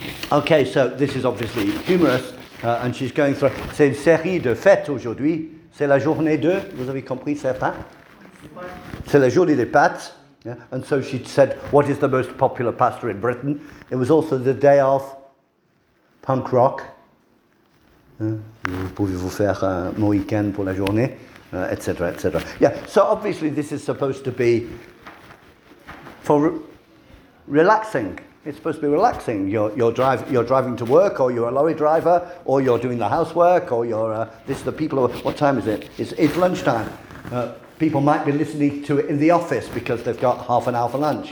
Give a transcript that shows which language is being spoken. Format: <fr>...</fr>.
<en>Okay, so this is obviously humorous, and she's going through.</en> <fr>C'est une série de fêtes aujourd'hui. C'est la journée de. Vous avez compris, certains? C'est la journée des pâtes. Yeah?</fr> <en>And so she said, what is the most popular pasta in Britain? It was also the day of punk rock.</en> <fr>Vous pouvez vous faire un Mohican pour la journée, etc., etc.</fr> <en>Yeah, so obviously this is supposed to be for relaxing. It's supposed to be relaxing. You're driving to work, or you're a lorry driver, or you're doing the housework, or you're this is the people. What time is it? It's lunchtime. People might be listening to it in the office because they've got half an hour for lunch.</en>